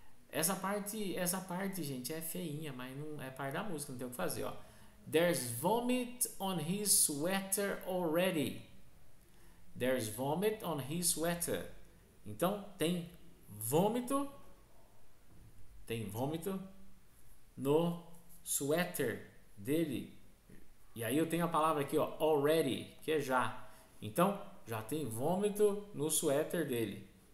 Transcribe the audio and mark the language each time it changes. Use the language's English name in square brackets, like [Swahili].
[Portuguese] Essa parte, gente, é feinha, mas não é parte da música, não tem o que fazer, ó. [English] There's vomit on his sweater already. There's vomit on his sweater. [Portuguese] Então, tem vômito no sweater dele. E aí eu tenho a palavra aqui, ó, already, que é já. Então, já tem vômito no suéter dele.